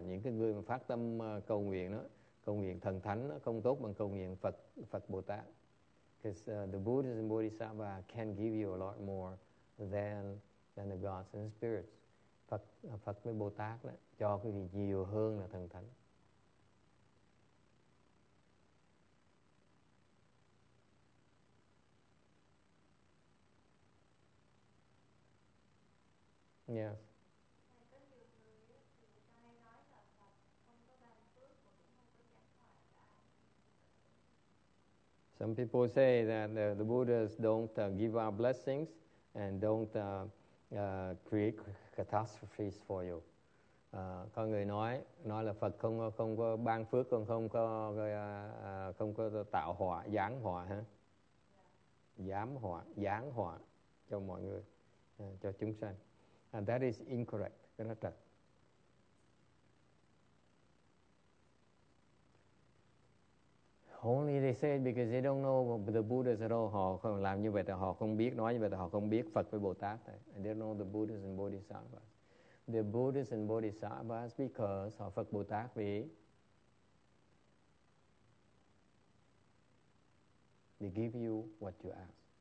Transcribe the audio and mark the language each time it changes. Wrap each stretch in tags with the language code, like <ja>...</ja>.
<vi>Những cái người mà phát tâm cầu nguyện đó, cầu nguyện thần thánh nó không tốt bằng cầu nguyện Phật Bồ Tát.</vi> <en>Because the Buddhas and Bodhisattva can give you a lot more than the gods and spirits.</en> <vi>Phật Phật với Bồ Tát đó cho quý vị nhiều hơn là thần thánh.</vi> <en>Yes. Some people say that the Buddhas don't give out blessings and don't create catastrophes for you.</en> <vi>Có người nói là Phật không có ban phước, không có tạo họa, giáng họa hả? Giáng họa cho mọi người, cho chúng sanh.</vi> <en>And that is incorrect.</en> <vi>Cái đó thật.</vi> <en>Only they say because they don't know the Buddhas at all.</en> <vi>Họ không làm như vậy, họ không biết, nói như vậy, họ không biết Phật với Bồ Tát.</vi> <en>They don't know the Buddhas and Bodhisattvas. The Buddhas and Bodhisattvas because</en> <vi>họ Phật Bồ Tát vì</vi> <en>they give you what you ask.</en>